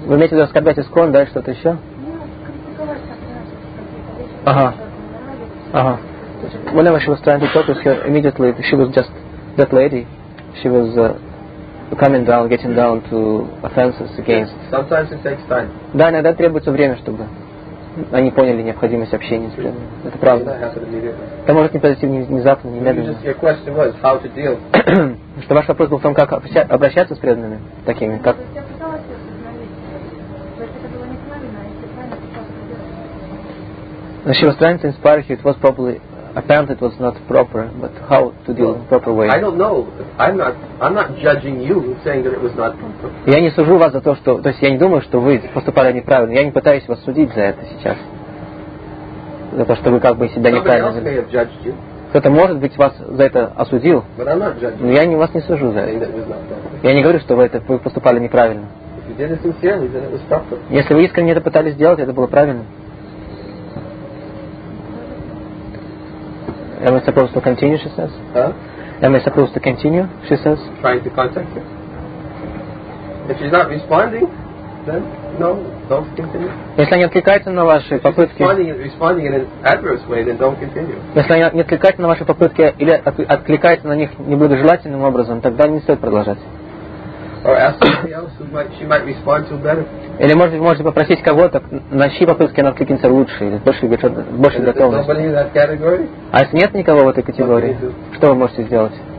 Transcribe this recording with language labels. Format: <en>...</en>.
<ru>Вы имеете в виду оскорблять ИСККОН, да, что-то еще?</ru> <en>Whenever she was trying to talk with her, immediately she was just that lady. She was coming down, getting down to offenses against. Sometimes it takes time.</en> <ru>Да, иногда требуется время, чтобы они поняли необходимость общения с преданными. Это правда. Это может не произойти внезапно, немедленно. Что ваш вопрос был в том, как обращаться с преданными такими? Как?</ru> <en>She was trying to inspire you. It was probably apparent. It was not proper, but how to deal in proper way? I don't know. I'm not judging you, saying that it was not proper.</en> <ru>Я не сужу вас за то, что, то есть я не думаю, что вы поступали неправильно. Я не пытаюсь вас судить за это сейчас, за то, что вы как бы себя неправильно вели. Кто-то может быть вас за это осудил.</ru> <en>But I'm not judging.</en> <ru>Но я не вас не сужу за это. Я не говорю, что вы поступали неправильно.</ru> <en>If you did it sincerely, then it was proper.</en> <ru>Если вы искренне это пытались сделать, это было правильно.</ru> <en>Am I supposed to continue, she says? Huh? Am I supposed to continue, she says? Trying to contact her. If she's not responding, then no, don't continue.</en> <ru>Если она не откликается на ваши попытки...</ru> <en>Responding in an adverse way, then don't continue.</en> <ru>Если она не откликается на ваши попытки или откликается на них неблагожелательным образом, тогда не стоит продолжать.</ru> <en>Or ask somebody else who might, she might respond to better.</en> <ru>Или можете попросить кого-то, на чьи попытки она откликнется лучше, или больше готовности. А если нет никого в этой категории, что вы можете сделать?</ru>